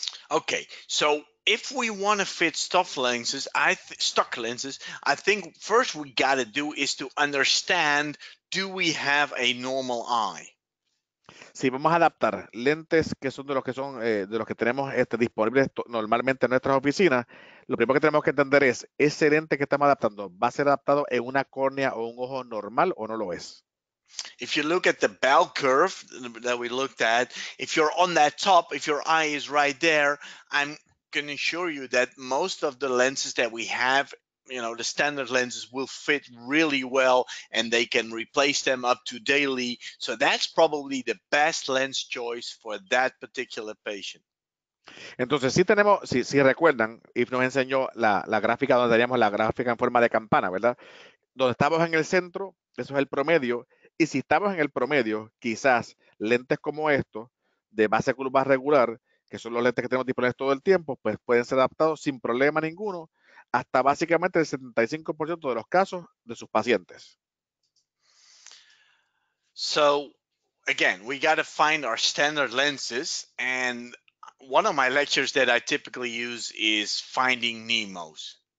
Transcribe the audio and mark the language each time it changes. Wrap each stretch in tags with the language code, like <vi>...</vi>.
<en>Okay, so if we want to fit stock lenses, I think first we got to do is to understand, do we have a normal eye?</en> <es>Si vamos a adaptar lentes que son de los que son de los que tenemos disponibles normalmente en nuestras oficinas, lo primero que tenemos que entender es, ¿ese lente que estamos adaptando va a ser adaptado en una córnea o un ojo normal o no lo es?</es> <en>If you look at the bell curve that we looked at, if you're on that top, if your eye is right there, I'm going to assure you that most of the lenses that we have, you know, the standard lenses will fit really well and they can replace them up to daily. So that's probably the best lens choice for that particular patient.</en> <es>Entonces, si tenemos, si recuerdan, Eef nos enseñó la gráfica donde teníamos la gráfica en forma de campana, ¿verdad? Donde estamos en el centro, eso es el promedio. Y si estamos en el promedio, quizás lentes como estos, de base curva regular, que son los lentes que tenemos disponibles todo el tiempo, pues pueden ser adaptados sin problema ninguno, hasta básicamente el 75% de los casos de sus pacientes.</es> <en>So, again, we got to find our standard lenses, and one of my lectures that I typically use is finding NEMOs.</en>